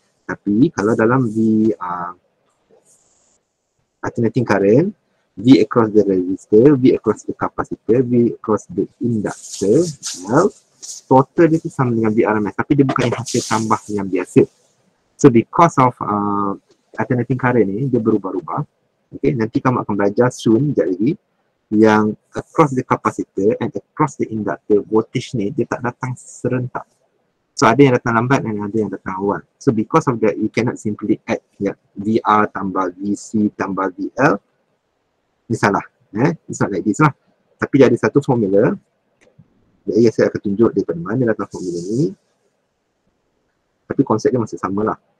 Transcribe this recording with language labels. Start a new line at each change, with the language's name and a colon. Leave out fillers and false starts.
Malay: Tapi kalau dalam V alternating current,
English: V across the resistor, V across the capacitor, V across the inductor, well,
Malay: total dia tu sama dengan VRMS, tapi dia bukan hasil tambah yang biasa.
English: So because of alternating current
Malay: ni, dia berubah-ubah. Okay, nanti kamu akan belajar soon, sekejap lagi, yang
English: across the capacitor and across the inductor,
Malay: voltage ni dia tak datang serentak. So ada yang datang lambat dan ada yang datang awal.
English: So because of that, you cannot simply add yeah,
Malay: VR tambah VC tambah VL. Ini salah, eh?
English: It's not like this lah.
Malay: Tapi dia ada satu formula. Jadi saya akan tunjuk daripada mana datang formula ni. Tapi konsep dia masih samalah.